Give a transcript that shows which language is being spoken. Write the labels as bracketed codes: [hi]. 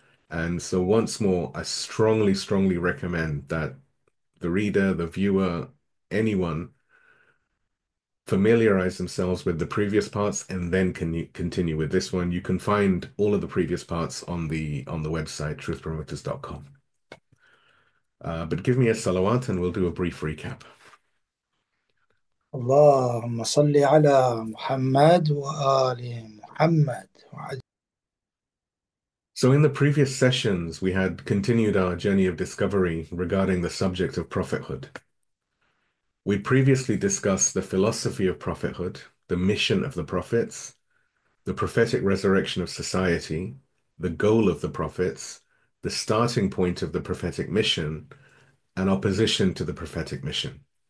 [en] And so once more, I strongly, strongly recommend that the reader, the viewer, anyone, familiarize themselves with the previous parts and then can continue with this one. You can find all of the previous parts on the website, truthpromoters.com. But give me a salawat and we'll do a brief recap. [ar] اللهم صل على محمد وآل محمد. [en] So in the previous sessions, we had continued our journey of discovery regarding the subject of prophethood. We previously discussed the philosophy of prophethood, the mission of the prophets, the prophetic resurrection of society, the goal of the prophets, the starting point of the prophetic mission, and opposition to the prophetic mission.